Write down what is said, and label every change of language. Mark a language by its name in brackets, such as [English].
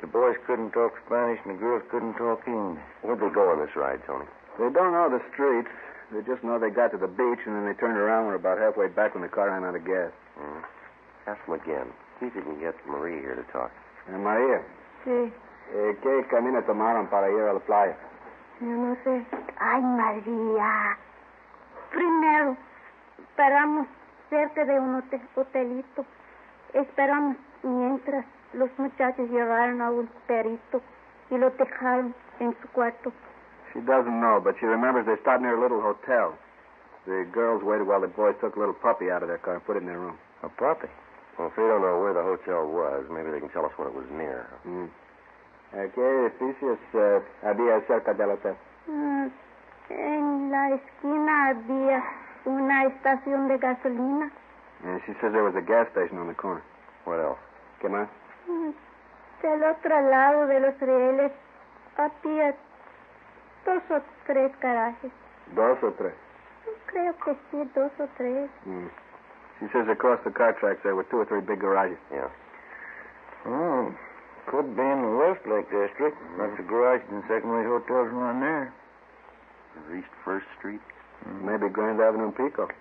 [English] The boys couldn't talk Spanish and the girls couldn't talk English. Where'd they go on this ride, Tony? They don't know the streets. They just know they got to the beach and then they turned around and were about halfway back when the car ran out of gas. Mm-hmm. Ask them again. See if you can get Marie here to talk. [Spanish] María. Sí. ¿Qué camino tomaron para ir a la playa? Yo no sé. Ay, María. Primero, paramos cerca de un hotelito. Esperamos mientras los muchachos llevaron a un perito y lo dejaron en su cuarto. [English] She doesn't know, but she remembers they stopped near a little hotel. The girls waited while the boys took a little puppy out of their car and put it in their room. A puppy? Well, if they don't know where the hotel was, maybe they can tell us what it was near. [Spanish] ¿Qué edificios había cerca del hotel? En la esquina había una estación de gasolina. [English] And she says there was a gas station on the corner. What else? [Spanish] ¿Qué más? Del otro lado de los rieles había dos o tres garajes. ¿Dos o tres? Creo que sí, dos o tres. [English] She says across the car tracks there were two or three big garages. Yeah. Could be in the West Lake District. That's a garage and secondary hotels around there. Is East First Street? Maybe Grand Avenue and Pico.